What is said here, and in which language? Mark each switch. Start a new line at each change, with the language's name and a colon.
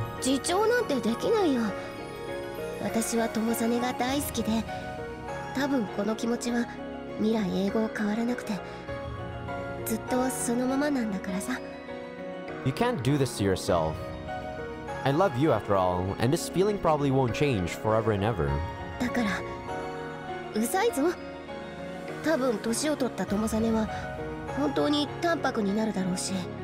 Japanese: 自重なんてできないよ。私はトモザネが大好きで、多分この気持ちは未来永劫変わらなくて、ずっとそのままなんだからさ。
English: You can't do this to yourself. I love you after all, and this feeling probably won't change forever and ever.
Japanese: だから、うざいぞ。多分年を取ったトモザネは本当に淡白になるだろうし。